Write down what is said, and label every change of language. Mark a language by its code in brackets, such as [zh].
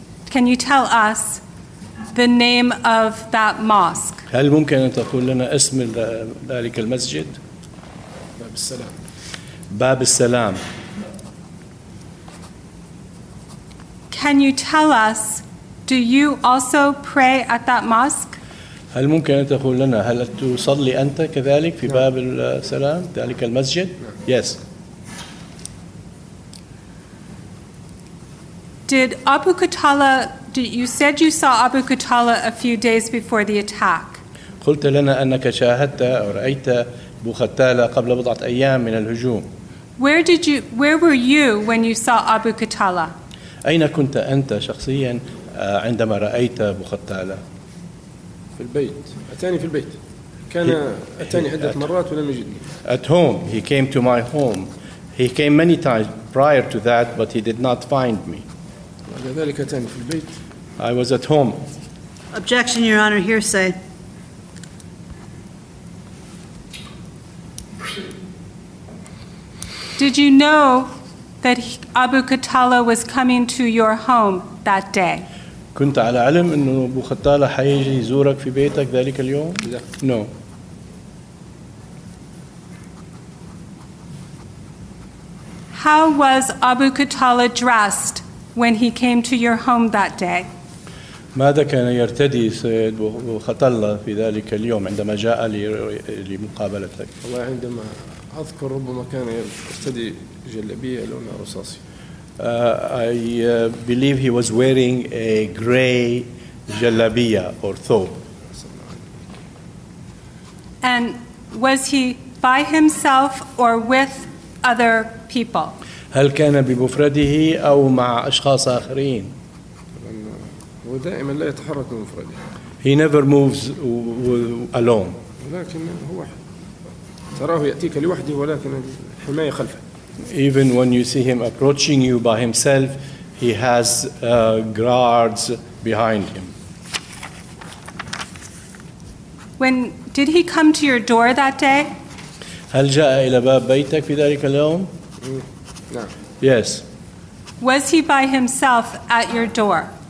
[en] Can you tell us the name of that mosque? [ar] هل ممكن أن تقول لنا اسم ذلك المسجد؟ باب السلام. باب السلام. [en] Can you tell us? Do you also pray at that mosque? [ar] هل ممكن أن تقول لنا هل تصلي أنت كذلك في باب السلام ذلك المسجد؟ [en] Yes. Did Abu Qatala, you said you saw Abu Qatala a few days before the attack. [ar] قلت لنا أنك شاهدت أو رأيت أبو قتالة قبل بضعة أيام من الهجوم. [en] Where were you when you saw Abu Qatala? [ar] أين كنت أنت شخصيا عندما رأيت أبو قتالة؟ في البيت. أتاني في البيت. كان أتاني عدة مرات ولم يجدني. [en] At home. He came to my home. He came many times prior to that, but he did not find me. [ar] بعد ذلك أتاني في البيت. [en] I was at home. Objection, Your Honor. Hearsay. Did you know that Abu Qatala was coming to your home that day? [ar] كنت على علم إنه أبو قتالة حيجي يزورك في بيتك ذلك اليوم؟ لا. [en] No. How was Abu Qatala dressed when he came to your home that day? [ar] ماذا كان يرتدي سيد أبو قتالة في ذلك اليوم عندما جاء لمقابلتك؟ والله عندما أذكر ربما كان يرتدي جلابية لونها رصاصي. [en] I believe he was wearing a gray jalabiya or thobe. And was he by himself or with other people? [ar] هل كان بمفرده أو مع أشخاص آخرين؟ هو دائما لا يتحرك بمفرده. [en] He never moves alone. [ar] ولكن هو تراه يأتيك لوحده ولكن الحماية خلفه. [en] Even when you see him approaching you by himself, he has guards behind him. When did he come to your door that day? [ar] هل جاء إلى باب بيتك في ذلك اليوم؟ [en] Yes. Was he by himself at your door?